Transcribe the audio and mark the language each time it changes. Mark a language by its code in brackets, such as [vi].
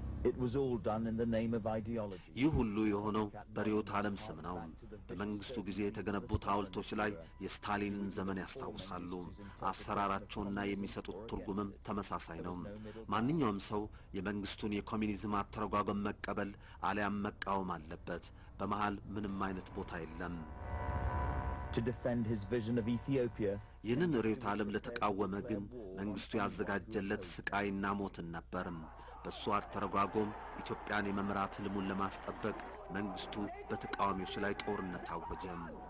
[en] It was all done in the name of ideology. [am] ይሁሉ የሆነው በሪዮት ዓለም ስም ነው። በመንግስቱ ጊዜ የተገነቡት ሐውልቶች ላይ የስታሊን ዘመን ያስታውሳሉ። አሰራራቸውና የሚሰጡት ትርጉምም ተመሳሳይ ነው። ማንኛውም ሰው የመንግስቱን የኮሚኒዝም አተረጓጎም መቀበል አለያም መቃወም አለበት። በመሃል ምንም አይነት ቦታ የለም። [en] To defend his vision of Ethiopia. [am] ይህንን ሪዮት ዓለም ለተቃወመ ግን መንግስቱ ያዘጋጀለት ስቃይና ሞት ነበር። በሷር ተረጋጋም ኢትዮጵያን የመምራት ልሙን ለማስጠበቅ መንግስቱ በተቃዋሚዎች ላይ ጦርነት አወጀም።